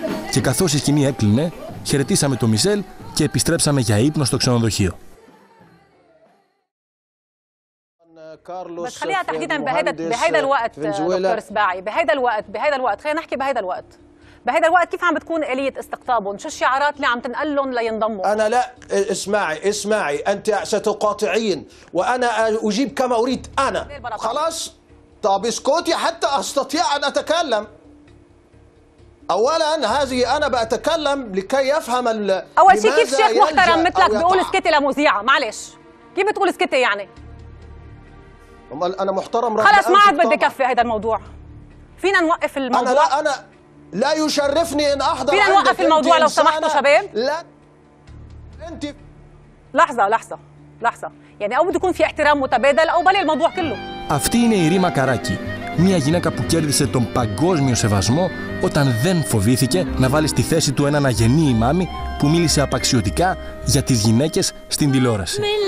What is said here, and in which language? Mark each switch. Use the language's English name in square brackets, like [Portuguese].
[Greek] Και καθώς η σκηνή έκλεινε, χαιρετήσαμε τον Μισελ και επιστρέψαμε για ύπνο στο ξενοδοχείο. [Arabic] خلينا تحديدا بهذا الوقت دكتور سباعي بهذا الوقت خلينا نحكي بهذا الوقت كيف عم بتكون آلية استقطابهم؟ شو الشعارات اللي عم تنقل لهم لينضموا؟ انا لا اسمعي انت ستقاطعين وانا اجيب كما اريد انا خلاص. طب اسكتي حتى استطيع ان اتكلم. اولا هذه انا بتكلم لكي يفهم اول شيء كيف شيخ محترم مثلك بيقول اسكتي لمذيعة؟ معلش كيف بتقول اسكتي يعني؟ انا محترم خلص ما عاد بدي كفي هذا الموضوع. فينا نوقف الموضوع؟ انا لا يشرفني ان احضر. فينا نوقف الموضوع لو سمحتوا شباب؟ لا انت لحظة يعني او بده يكون في احترام متبادل او بلي الموضوع كله. [Greek] افتي هي ريما كاراكي. Μια γυναίκα που κέρδισε τον παγκόσμιο σεβασμό όταν δεν φοβήθηκε να βάλει στη θέση του έναν αγενή ημάμι που μίλησε απαξιωτικά για τις γυναίκες στην τηλεόραση.